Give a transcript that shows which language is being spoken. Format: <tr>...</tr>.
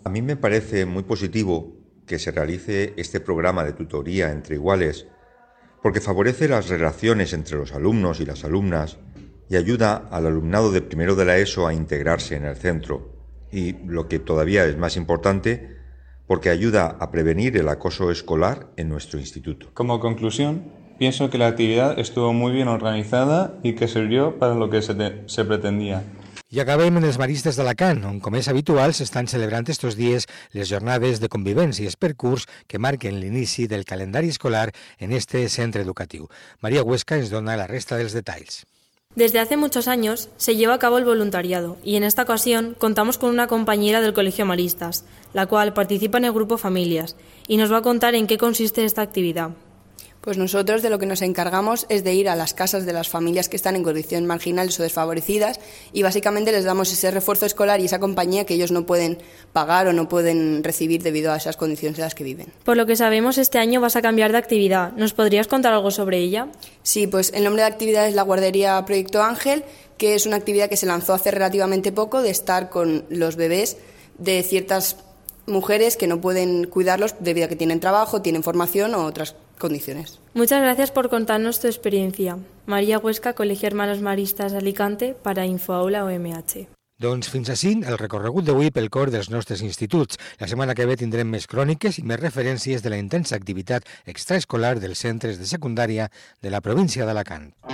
<es>A mí me parece muy positivo que se realice este programa de tutoría entre iguales, porque favorece las relaciones entre los alumnos y las alumnas y ayuda al alumnado de primero de la ESO a integrarse en el centro. Y lo que todavía es más importante, porque ayuda a prevenir el acoso escolar en nuestro instituto. Como conclusión, pienso que la actividad estuvo muy bien organizada y que sirvió para lo que se pretendía.</es> <ca>I acabem en els Maristes d'Alacant, on, com és habitual, s'estan celebrant estos dies les jornades de convivències per curs que marquen l'inici del calendari escolar en este centre educatiu. Maria Huesca ens dona la resta dels detalls.</ca> <es>Desde hace muchos años se lleva a cabo el voluntariado y en esta ocasión contamos con una compañera del Colegio Maristas, la cual participa en el grupo Familias y nos va a contar en qué consiste esta actividad. Pues nosotros de lo que nos encargamos es de ir a las casas de las familias que están en condiciones marginales o desfavorecidas y básicamente les damos ese refuerzo escolar y esa compañía que ellos no pueden pagar o no pueden recibir debido a esas condiciones en las que viven. Por lo que sabemos, este año vas a cambiar de actividad. ¿Nos podrías contar algo sobre ella? Sí, pues el nombre de actividad es la guardería Proyecto Ángel, que es una actividad que se lanzó hace relativamente poco de estar con los bebés de ciertas mujeres que no pueden cuidarlos debido a que tienen trabajo, tienen formación o otras condiciones. Muchas gracias por contarnos tu experiencia. María Huesca, Colegio Hermanos Maristas Alicante, para InfoAula OMH.</es> <ca>Doncs fins així el recorregut d'avui pel cor dels nostres instituts. La setmana que ve tindrem més cròniques i més referències de la intensa activitat extraescolar dels centres de secundària de la província d'Alacant.</ca>